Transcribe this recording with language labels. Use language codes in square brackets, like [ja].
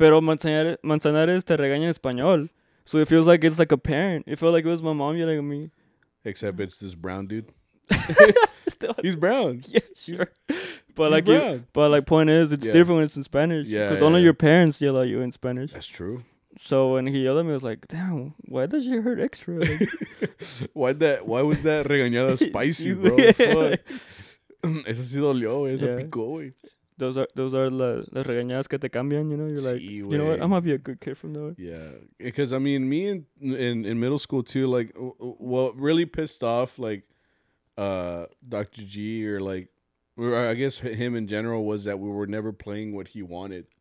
[es] Pero Manzanares te regaña en español. [en] So it feels like it's like a parent. It felt like it was my mom yelling at me. Except it's this brown dude. He's brown. Yeah, sure. But he's like, brown. But like, point is, it's different when it's in Spanish. Yeah. Because only your parents yell at you in Spanish. That's true. So when he yelled at me, I was like, damn, why does she hurt extra? Like, why was that regañada spicy, bro? Fuck. [es] Eso sí dolió, eso picó, güey. [en] Those are the regañadas [es] que te cambian, [en] you know? You're like, you know what? I'm going to be a good kid from now. Yeah. Because, I mean, me in middle school, too, like, what really pissed off, like, Dr. G or, like, or I guess him in general was that we were never playing what he wanted.